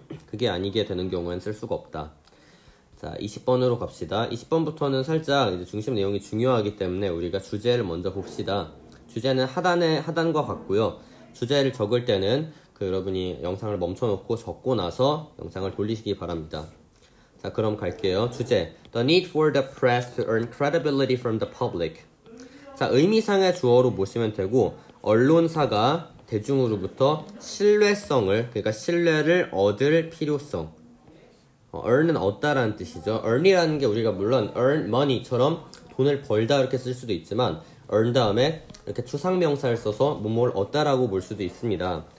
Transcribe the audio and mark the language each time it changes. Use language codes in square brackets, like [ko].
[ko] 그게 아니게 되는 경우엔 쓸 수가 없다. 자, 20번으로 갑시다. 20번부터는 살짝 이제 중심 내용이 중요하기 때문에 우리가 주제를 먼저 봅시다. 주제는 하단과 같고요. 주제를 적을 때는 그 여러분이 영상을 멈춰놓고 적고 나서 영상을 돌리시기 바랍니다. 자, 그럼 갈게요. 주제. [en] The need for the press to earn credibility from the public. [ko] 자, 의미상의 주어로 보시면 되고, 언론사가 대중으로부터 신뢰성을, 그러니까 신뢰를 얻을 필요성. earn은 얻다라는 뜻이죠. earn이라는 게 우리가 물론 earn money처럼 돈을 벌다 이렇게 쓸 수도 있지만, earn 다음에 이렇게 추상명사를 써서 뭐뭐를 얻다라고 볼 수도 있습니다.